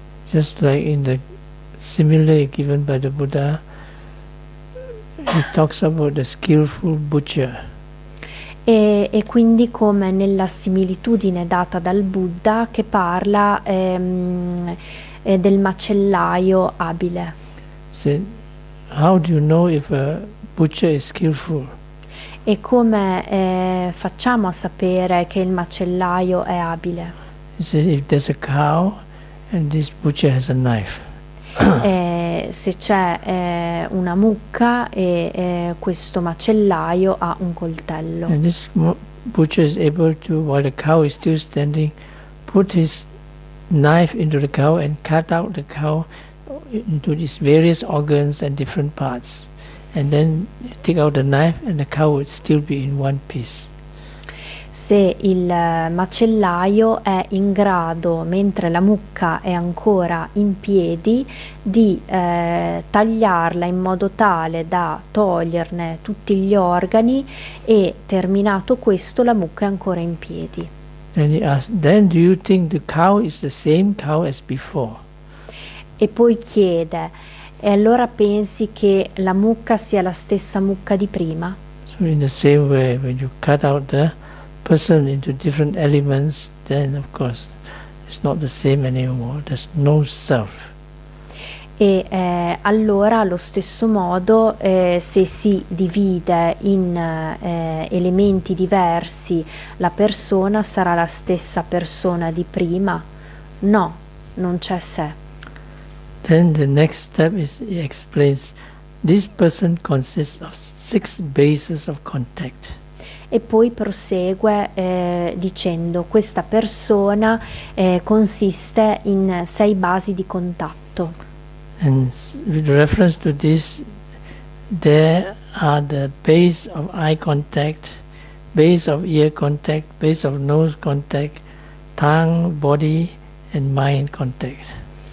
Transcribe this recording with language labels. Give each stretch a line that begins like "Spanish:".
English: Just like in the simile given by the Buddha, he talks about the skillful butcher.
Italian: E quindi come nella similitudine data dal Buddha che parla del macellaio abile.
English: said, how do you know if a butcher is skillful?
Italian: E come facciamo a sapere che il macellaio è abile?
English: He said, if there's a cow and this butcher has a knife.
Italian: Se c'è una mucca e questo macellaio ha un coltello.
English: And this butcher is able to, while the cow is still standing, put his knife into the cow and cut out the cow into these various organs and different parts, and then take out the knife and the cow would still be in one piece.
Italian: Se il macellaio è in grado, mentre la mucca è ancora in piedi, di tagliarla in modo tale da toglierne tutti gli organi, e terminato questo la mucca è ancora in piedi.
English: And he asked, then do you think the cow is the same cow as before?
Italian: E poi chiede, e allora pensi che la mucca sia la stessa mucca di prima?
English: So in the same way, when you cut out the person into different elements, then of course it's not the same anymore, there's no self.
Italian: E allora allo stesso modo se si divide in elementi diversi la persona sarà la stessa persona di prima? No, non c'è sé.
English: Then the next step is, he explains, this person consists of six bases of contact.
Italian: E poi prosegue dicendo, questa persona consiste in sei basi di contatto.
English: And with reference to this, there are the base of eye contact, base of ear contact, base of nose contact, tongue, body and mind contact.